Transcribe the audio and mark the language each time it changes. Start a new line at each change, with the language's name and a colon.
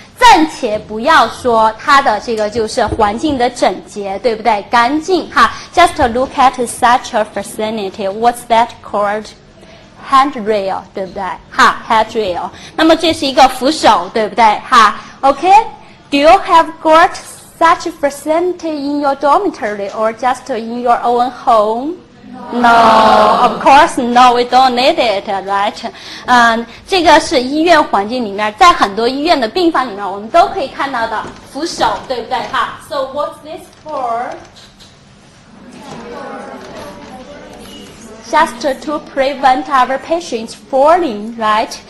Chinese: 暂且不要说它的这个就是环境的整洁，对不对？干净哈。
English: Just look at such a facility. What's that called? Handrail,
Chinese: 对不对？
English: 哈 ，handrail。
Chinese: 那么这是一个扶手，对不对？哈 ，OK.
English: Do you have got such a facility in your dormitory or just in your own home? No, of course, we don't need it, right?
Chinese: 这个是医院环境里面，在很多医院的病房里面，我们都可以看到的扶手，对不对？哈。
English: So what's this for? Just to prevent our patients falling, right?